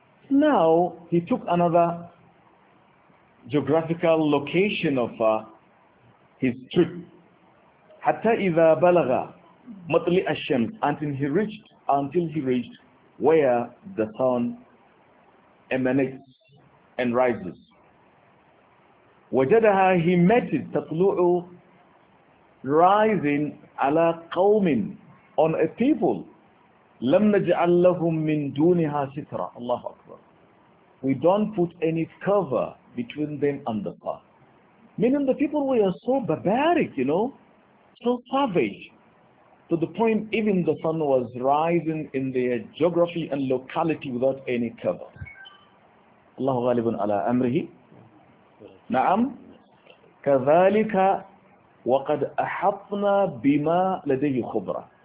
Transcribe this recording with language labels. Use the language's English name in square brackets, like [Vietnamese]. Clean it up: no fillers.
[English] Now, he took another geographical location of his trip. [Arabic] حَتَّى إِذَا بَلَغَ مَطْلِعَ الشَّمْسِ. [English] Until he reached where the sun emanates and rises. [Arabic] وجدها, [English] he met it, [Arabic] تطلعوا, [English] rising [Arabic] على قوم, [English] on a people, [Arabic] لم نجعل لهم من دونها سترة. الله أكبر. [English] We don't put any cover between them and the sun. Meaning the people were so barbaric, you know, so savage, to the point even the sun was rising in their geography and locality without any cover. [Arabic] الله غالب على أمره. نعم كذلك وقد أحطنا بما لديه خبرة.